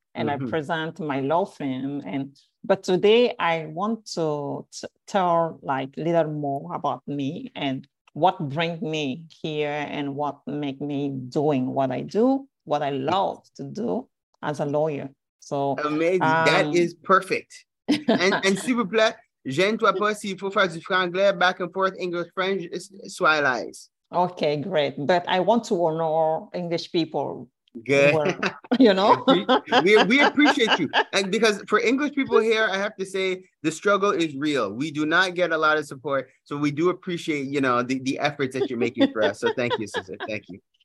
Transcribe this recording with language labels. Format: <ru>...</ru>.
<en>And mm-hmm. I present my law firm. But today I want to tell like a little more about me and what brings me here and what make me doing what I do, what I love to do as a lawyer. So amazing. That is perfect.</en> <fr>And s'il vous plaît, gêne toi pas s'il faut faire du franglais,</fr> <en>back and forth,</en> <fr>English, French, soit lies.</fr> <en>Okay, great. But I want to honor English people. Good. Well, you know, we appreciate you. And because for English people here, I have to say the struggle is real. We do not get a lot of support. So we do appreciate, you know, the efforts that you're making for us. So thank you, sister. Thank you.</en>